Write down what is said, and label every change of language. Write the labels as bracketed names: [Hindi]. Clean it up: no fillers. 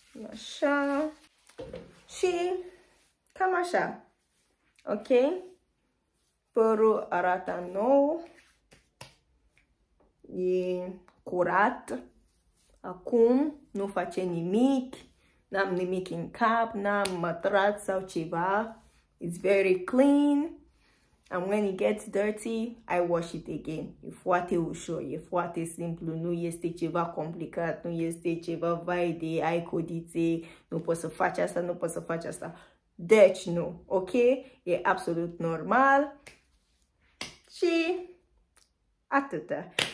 [Romanian] Așa. Și cam așa. Ok? Părul arată nou. E curat. Acum nu face nimic. N-am nimic în cap, n-am mătrat sau ceva. [English] It's very clean. And when it gets dirty, I wash it again. [Romanian] E foarte ușor, e foarte simplu. Nu este ceva complicat, nu este ceva vai de ai codițe. Nu poți să faci asta, nu poți să faci asta. Deci nu, ok? E absolut normal. Și atâta.